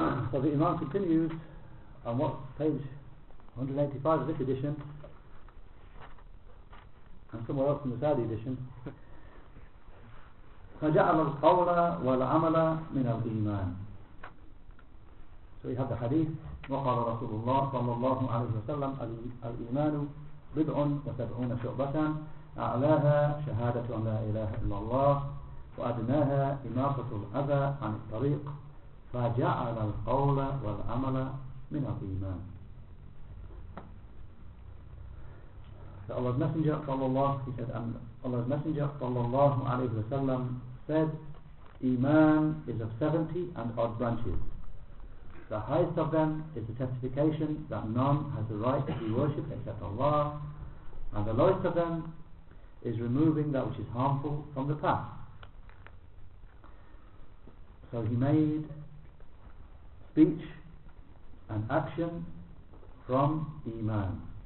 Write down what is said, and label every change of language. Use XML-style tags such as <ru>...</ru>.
<en>So the Imam continues on what page 185 of this edition and somewhere else in the Saudi edition.</en> <ar>فَجَعَلَ الْقَوْلَ وَالْعَمَلَ مِنَ الْإِيمَانِ.</ar> <en>So we have the hadith.</en> <ar>وَقَالَ رَسُولُ اللَّهِ صَلَّى اللَّهُ عَلَيْهِ وَسَلَّمْ الْإِيمَانُ بِضْعٌ وَسَبْعُونَ شُعْبَةً أَعْلَاهَا شَهَادَةُ أَنْ لَا إِلَهَ إِلَّا اللَّهُ وَأَدْنَاهَا إِمَاطَةُ الْأَذَى عَنِ الطَّرِيقِ فَجَعَلَ الْقَوْلَ وَالْعَمَلَ مِنَ الْإِيمَانِ.</ar> <en>So Allah's Messenger sallallahu, he said, Allah's Messenger sallallahu alayhi wa sallam said, Iman is of 70 and odd branches. The highest of them is the testification that none has the right to be worshipped except Allah, and the lowest of them is removing that which is harmful from the path. So he made speech and action from Iman.</en>